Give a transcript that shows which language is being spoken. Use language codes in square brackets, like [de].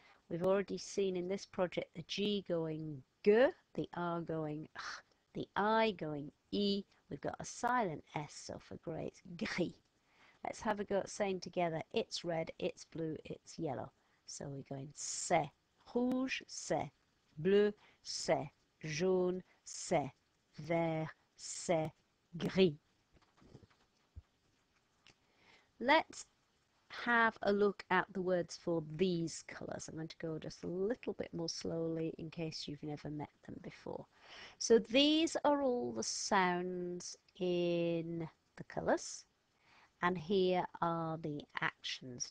[en] We've already seen in this project the g going g, the r going, the I going e. We've got a silent s, so for grey, it's gris. Let's have a go at saying together, it's red, it's blue, it's yellow. So we're going c. [fr] Rouge, c'est bleu, c'est jaune, c'est vert, c'est gris. [en] Let's have a look at the words for these colours. I'm going to go just a little bit more slowly in case you've never met them before. So these are all the sounds in the colours, and here are the actions.